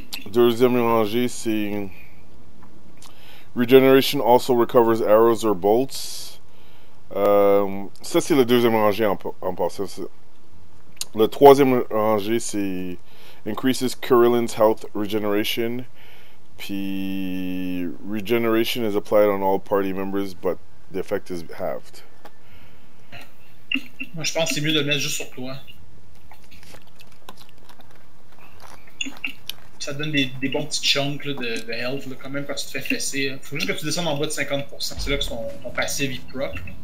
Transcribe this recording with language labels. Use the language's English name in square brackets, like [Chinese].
[French] Deuxième rangée, c'est [English] Regeneration also recovers arrows or bolts. [French] Ça, c'est la deuxième rangée en passant. Le troisième rangée, c'est [English] Increases Kirillin's health regeneration. Puis Regeneration is applied on all party members, but the effect is halved. [French] Moi, je pense que c'est mieux de le mettre juste sur toi. Ça donne des bons petits chunks là, de health là, quand même quand tu te fais fesser. Hein. Faut juste que tu descendes en bas de 50%. C'est là que ton passif il proc.